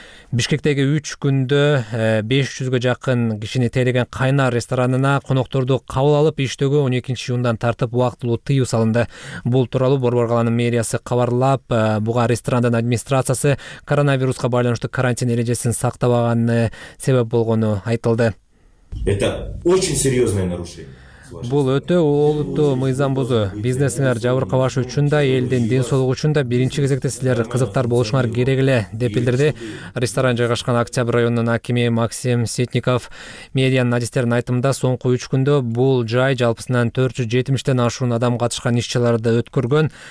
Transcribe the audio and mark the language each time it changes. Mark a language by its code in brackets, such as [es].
[ky] Бишкектеги 3 күндө 500 жакын кишини тейлеген кайнар ресторанына конокторду кабыл алып, иштөгү 12 июндан тартып убактылуу тыюу салынды. Бул тууралуу Борбор калаанын мэриясы кабарлап, буга ресторандын администрациясы коронавируска байланыштуу карантин эрежесин сактабаганы себеп болгону айтылды. [ru] Это очень серьёзное нарушение. [ky] Бул өтө олуттуу мыйзам бузуу. Бизнесиңер жабыркабашы үчүн да, элдин ден соолугу үчүн да биринчи кезекте силер кызыктар болушуңар керек эле, деп билдирди. Ресторан жайгашкан Октябрь районунун акими Максим Ситников. Медиянын адистеринин айтымында соңку 3 күндө бул жай жалпысынан 470 ашуун адам катышкан иш-чараларды өткөргөн.